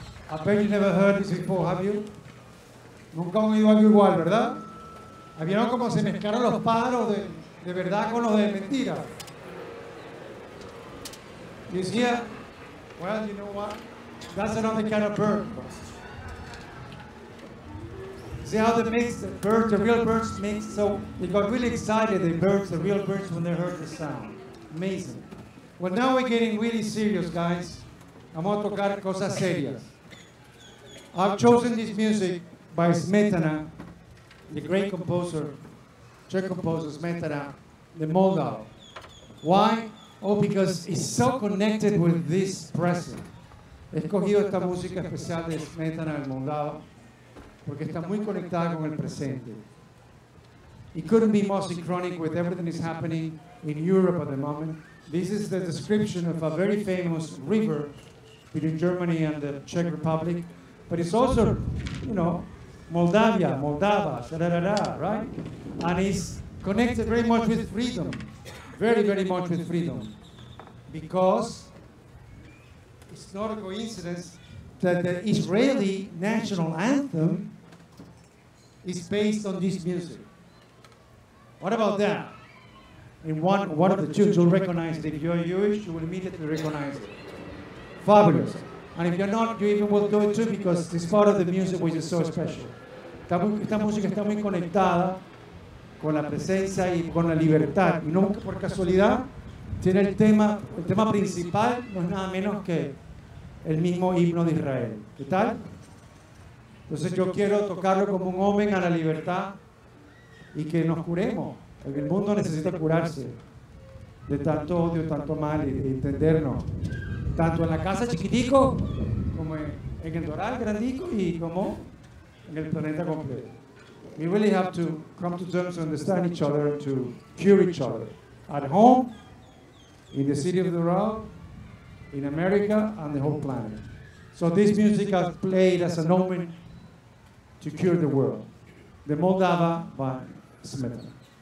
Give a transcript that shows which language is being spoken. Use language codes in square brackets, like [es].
[en] I bet you never heard this before, have you? [es] Nunca han oído algo igual, ¿verdad? ¿Vieron cómo se mezclaron los pájaros de verdad con los de mentira? [en] You see, well, you know what? That's another kind of bird. See how they mix the birds, the real birds mix, so they got really excited, the birds, the real birds, when they heard the sound. Amazing. Well, now we're getting really serious, guys. I'm going to [es] tocar cosas serias. [en] I've chosen this music by Smetana, the great composer, Czech composer Smetana, the Moldau. Why? Oh, because it's so connected with this present. [es] He escogido esta música especial de Smetana, el Moldau, porque está muy conectada con el presente. [en] It couldn't be more synchronic with everything that's happening in Europe at the moment. This is the description of a very famous river between Germany and the Czech Republic. But it's also, you know, Moldavia, Moldava, da-da-da-da, right? And it's connected very much with freedom, very, very much with freedom. Because it's not a coincidence that the Israeli national anthem is based on this music. What about that? And one of the Jews will recognize it. If you're Jewish, you will immediately recognize it. Fabulous. And if you're not, you even will do it too, because this part of the music which is so special. [es] Esta música está muy conectada con la presencia y con la libertad. Y no por casualidad, tiene el tema principal no es nada menos que el mismo himno de Israel. ¿Qué tal? Entonces yo quiero tocarlo como un homenaje a la libertad y que nos curemos. El mundo necesita curarse de tanto odio, tanto mal, y de entendernos. Tanto en la casa chiquitico, como en el Doral grandico, y como en el planeta completo. [en] We really have to come to terms to understand each other and to cure each other. At home, in the city of Doral, in America, and the whole planet. So this music has played as an omen to cure the world. The Moldava by Smetana.